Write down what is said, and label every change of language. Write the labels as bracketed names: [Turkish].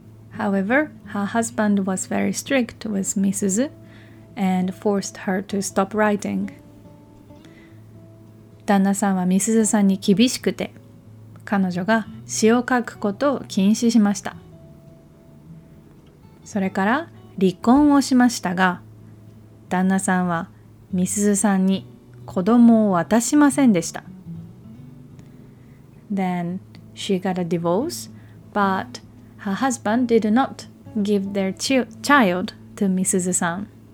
[English] However, her husband was very strict with Mrs. and forced her to stop writing。 [Japanese] 旦那さんはみすずさんに厳しくて、彼女が詩を書くことを禁止しました。それから離婚をしましたが、旦那さんはみすゞさんに子供を渡しませんでした。 [English] Then she got a divorce, but her husband did not give their child to みすゞさん。